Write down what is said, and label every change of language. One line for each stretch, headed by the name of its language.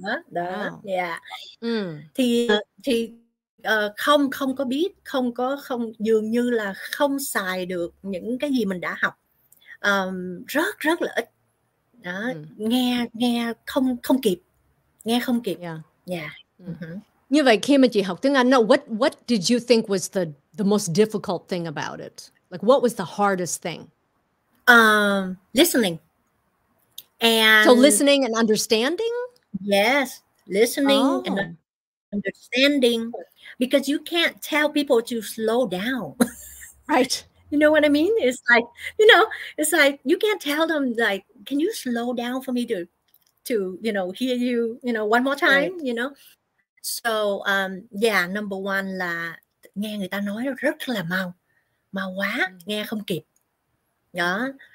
Vietnamese: Đó, thì không không có biết, không có không dường như là không xài được những cái gì mình đã học, rất rất là ít đó, nghe nghe không không kịp, nghe không kịp. Như vậy khi mà chị học tiếng Anh,
English: no, what did you think was the most difficult thing about it? Like, what was the hardest thing? Listening So and listening and understanding? yes, listening and Oh. understanding, because you can't tell people to slow down. Right. You know what I mean? It's like you can't tell them, like, can you slow down for me to hear you one more Right. time. So number one
Vietnamese: là nghe người ta nói rất là mau, mau quá, nghe không kịp đó.